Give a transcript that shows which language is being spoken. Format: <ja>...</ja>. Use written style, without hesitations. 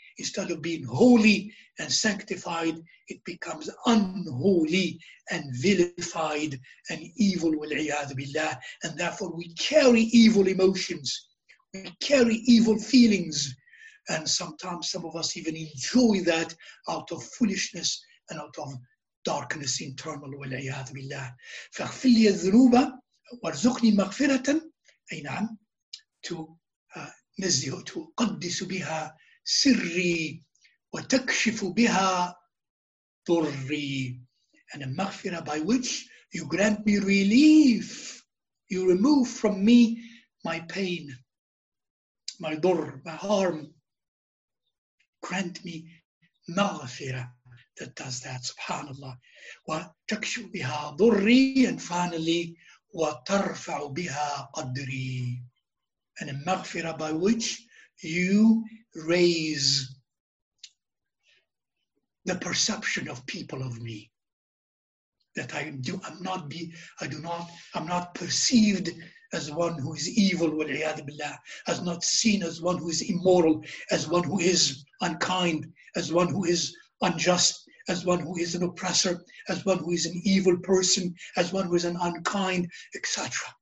<en>Instead of being holy and sanctified, it becomes unholy and vilified and evil, wal'iyadh billah. And therefore we carry evil emotions, we carry evil feelings, and sometimes some of us even enjoy that out of foolishness and out of darkness internal, wal'iyadh billah.</en> <ar>فَغْفِلْ لِيَ الذُّنُوبَ وَارْزُقْنِي مَغْفِرَةً أي نعم تُنَزِّهُ تُقَدِّسُ بِهَا سري وتكشف بها ضري.</ar> <en>And a maghfirah by which you grant me relief, you remove from me my pain, my dur, my harm. Grant me maghfirah that does that, subhanAllah.</en> <ar>وتكشف بها ضري.</ar> <en>And finally,</en> <ar>وترفع بها قدري.</ar> <en>And a maghfirah by which you raise the perception of people of me, that I'm not perceived as one who is evil, wal'iyadh billah, as not seen as one who is immoral, as one who is unkind, as one who is unjust, as one who is an oppressor, as one who is an evil person, as one who is an unkind, etc.</en>